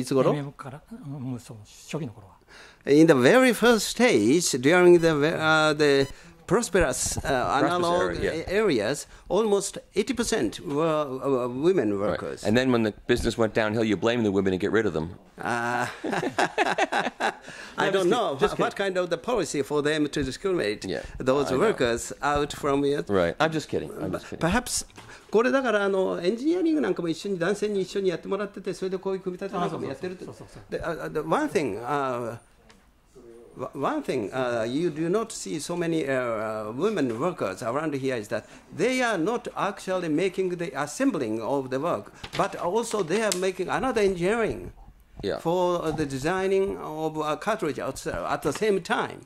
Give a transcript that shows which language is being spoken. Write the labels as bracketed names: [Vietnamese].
[English] In the very first stage, during the prosperous analog areas, almost 80% were women workers. Right. And then when the business went downhill, you blame the women and get rid of them. I don't know what kind of the policy for them to discriminate those workers out from it. Right. I'm just kidding. Perhaps [Japanese] これだからあのエンジニアリングなんかも一緒に男性に一緒にやってもらってて、それでこういう組み立てなんかもやってるって。 [English] で、one thing、one thing、you do not see so many、women workers around here is that they are not actually making the assembling of the work, but also they are making another engineering、 yeah. for the designing of a cartridge at the same time.